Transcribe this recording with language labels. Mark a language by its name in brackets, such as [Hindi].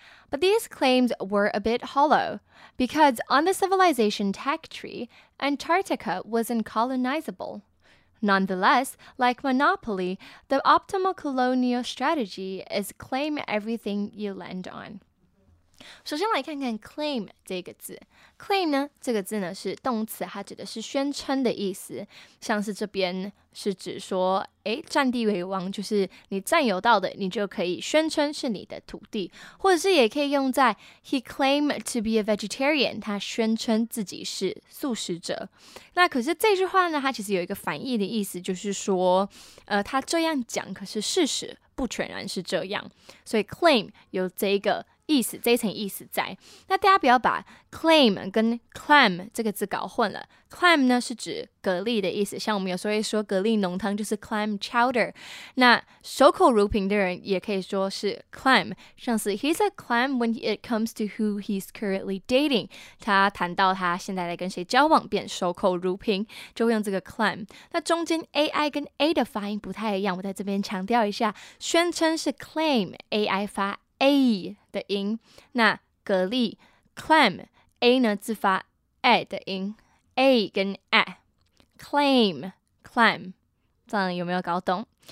[English] But these claims were a bit hollow, because on the civilization tech tree, Antarctica was uncolonizable. Nonetheless, like Monopoly, the optimal colonial strategy is claim everything you lend on. [Chinese] 首先来看看 claim 这个字。claim 呢，这个字呢是动词，它指的是宣称的意思。像是这边是指说，占地为王，就是你占有到的，你就可以宣称是你的土地。或者是也可以用在 [English] he claimed to be a vegetarian， [Chinese] 他宣称自己是素食者。那可是这句话呢，它其实有一个反义的意思，就是说，他这样讲，可是事实不全然是这样。所以 claim 有这个意思，这一层意思在。那大家不要把 claim 跟 clam 这个字搞混了。 clam 呢是指蛤蜊的意思，像我们有时候会说蛤蜊浓汤就是 clam chowder。那守口如瓶的人也可以说是 clam， 像是 [English] he's a clam when it comes to who he's currently dating。 [Chinese] 他谈到他现在在跟谁交往，便守口如瓶，就会用这个 clam。那中间 ai 跟 a 的发音不太一样，我在这边强调一下，宣称是 claim ai 发。 A 的音，那蛤蜊 clam A 呢自发 A 的音 A 跟 A claim clam， 这样有没有搞懂？